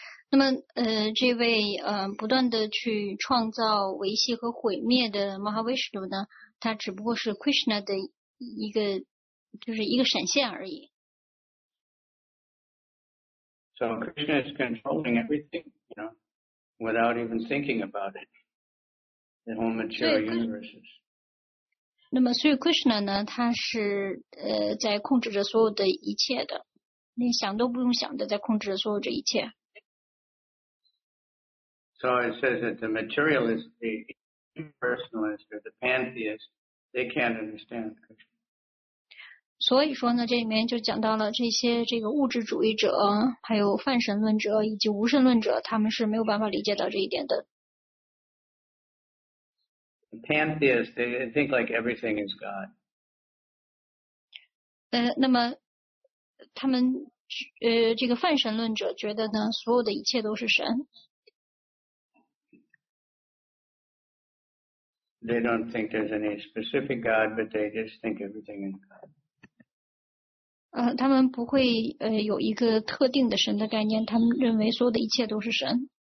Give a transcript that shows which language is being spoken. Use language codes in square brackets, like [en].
[zh] 那么这位不断的去创造、维系和毁灭的 Mahavishnu 呢，它只不过是 Krishna 的一个，就是一个闪现而已。 [en] So Krishna is controlling everything, you know, without even thinking about it. The whole material universes. [zh] 那么所以 Krishna 呢，他是在控制着所有的一切的，连想都不用想的在控制着所有这一切。 [en] So it says that the materialist, the impersonalist, or the pantheist, they can't understand Krishna. [zh] 所以说呢，这里面就讲到了这些这个物质主义者，还有泛神论者以及无神论者，他们是没有办法理解到这一点的。 [en] Pantheists, they think like everything is God. [zh] 那么他们这个泛神论者觉得呢，所有的一切都是神。 [en] They don't think there's any specific God, but they just think everything is God. [zh] 他们不会有一个特定的神的概念，他们认为所有的一切都是神。